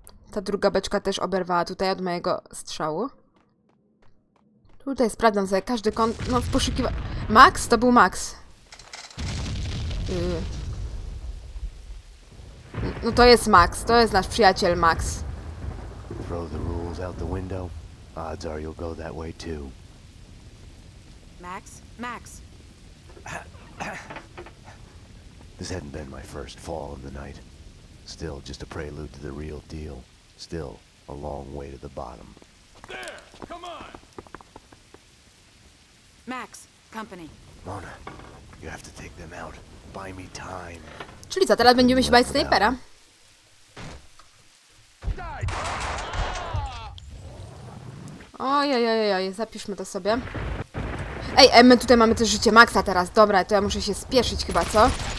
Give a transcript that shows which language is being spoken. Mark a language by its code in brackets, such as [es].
[pl] Ta druga beczka też oberwała tutaj od mojego strzału. Tutaj sprawdzam sobie każdy kąt. No, w poszukiwa. Max? To był Max. No to jest Max. To jest nasz przyjaciel Max. [en] Throw the rules out the window. Odds are you'll go that way too. Max? Max! This hadn't been my first fall in the night. Still, just a prelude to the real deal. Still, a long way to the bottom. There! Come on! Max, company. Mona, you have to take them out. Buy me time. [pl] Czyli co, teraz będziemy się bać snajpera? Ojojojojoj, zapiszmy to sobie. Ej, my tutaj mamy też życie Maxa teraz. Dobra, to ja muszę się spieszyć chyba, co?